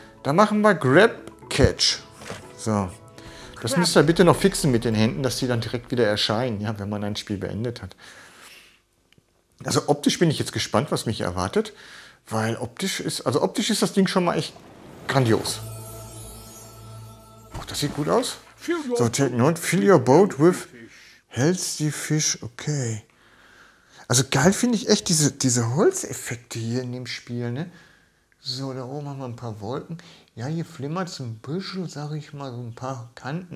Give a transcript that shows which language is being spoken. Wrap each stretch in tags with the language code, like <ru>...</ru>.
<de>Da machen wir Grab Catch. So. Das müsst ihr bitte noch fixen mit den Händen, dass die dann direkt wieder erscheinen, ja, wenn man ein Spiel beendet hat. Also optisch bin ich jetzt gespannt, was mich erwartet. Weil optisch ist, also optisch ist das Ding schon mal echt grandios. Oh, das sieht gut aus.</de> <en>So, take note, fill your boat with healthy fish. Okay.</en> <de>Also geil finde ich echt diese Holzeffekte hier in dem Spiel, ne? So, da oben haben wir ein paar Wolken. Ja, hier flimmert es ein bisschen, sage ich mal, so ein paar Kanten.</de>